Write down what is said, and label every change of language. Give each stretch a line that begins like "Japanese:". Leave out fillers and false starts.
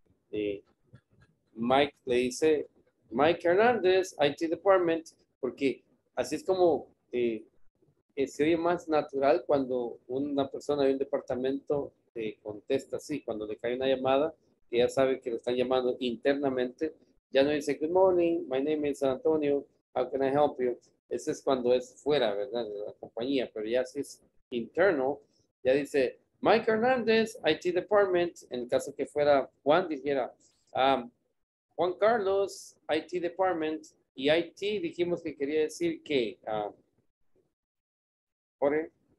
Spanish: Y Mike le dice, Mike Hernández, IT Department, porque así es como se oye más natural cuando una persona de un departamento contesta así, cuando le cae una llamada, que ya sabe que le están llamando internamente. Ya no dice,
English: good morning, my name is Antonio, how can I help you?
Spanish: Ese es cuando es fuera, ¿verdad? De la compañía, pero ya si es interno, ya dice, Mike Hernández, IT Department. En el caso que fuera Juan, dijera, Juan Carlos, IT Department. Y IT dijimos que quería decir que, Jorge.